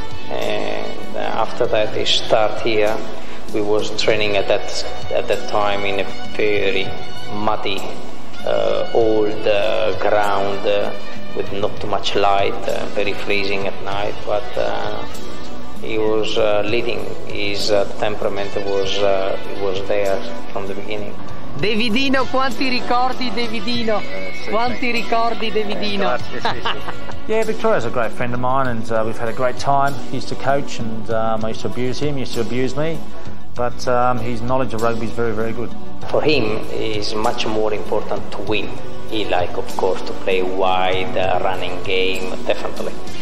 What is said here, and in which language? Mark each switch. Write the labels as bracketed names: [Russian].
[English] And after that, he started here. We was training at that time in a very muddy, old ground with not too much light, very freezing at night, but he was leading. His temperament was there from the beginning. [Italian] Davidino, quanti ricordi, Davidino? Quanti ricordi, Davidino? [English] Yeah, Victoria's a great friend of mine, and we've had a great time. He used to coach, and I used to abuse him, he used to abuse me. But his knowledge of rugby is very, very good. For him, it's much more important to win. He likes, of course, to play wide, running game, definitely.